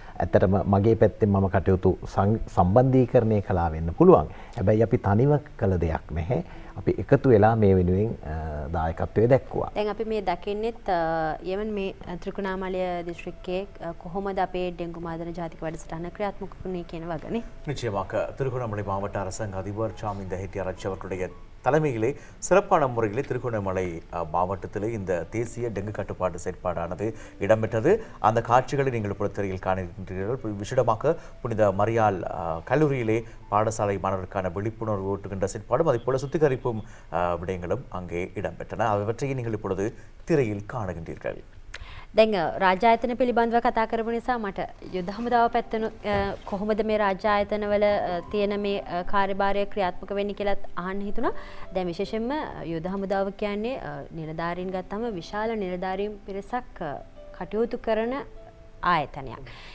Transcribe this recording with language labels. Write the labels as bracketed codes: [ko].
[si] ඇත්තටම මගේ පැත්තෙන් මම කටයුතු සම්බන්ධීකරණය කළා වෙන්න පුළුවන්. හැබැයි අපි තනිව කළ දෙයක් නැහැ. අපි එකතු වෙලා මේ වෙනුවෙන් දායකත්වය දැක්වුවා. දැන් අපි මේ දකින්නෙත් යෙමන් මේ ත්‍රිකුණාමලය දිස්ත්‍රික්කයේ කොහොමද අපේ ඩෙංගු මාධ්‍ය ජාතික වැඩසටහන ක්‍රියාත්මක වුණේ කියන වගනේ. [ta] නිශ්චයමක ත්‍රිකුණාමලය මාවට අරසංග අධිපර් චාමින්ද හිටිය ආරච්චවරුටගේ தலைமையிலே சிறப்பான முறையிலே திருகோணமலை மாவட்டத்திலே இந்த தேசிய டெங்கு கட்டுப்பாட்டு செயற்பாடானது இடம்பெற்றது. அந்த காட்சிகளை நீங்கள் புறத்திரையில் காணிருக்கின்றீர்கள். விசிடமாக புனித மரியாள் கல்லூரியிலே பாடசாலை மாணவருக்கான விழிப்புணர்வு ஓட்டுகின்ற செயற்பாடும் அதே போல சுத்திகரிப்பும் விடயங்களும் அங்கே இடம்பெற்றன. அவற்றையும் நீங்கள் இப்பொழுது திரையில் காணுகின்றீர்கள். [si] දැන් රාජ්‍යායතන පිළිබඳව කතා කරපු නිසා මට යුද හමුදාව පැත්තන කොහොමද මේ රාජ්‍යායතනවල තියෙන මේ කාර්යභාරය ක්‍රියාත්මක වෙන්නේ කියලාත් අහන්න හිතුණා. දැන් විශේෂයෙන්ම යුද හමුදාව කියන්නේ නිලධාරීන් ගත්තම විශාල නිලධාරීන් පිරිසක් කටයුතු කරන ආයතනයක්.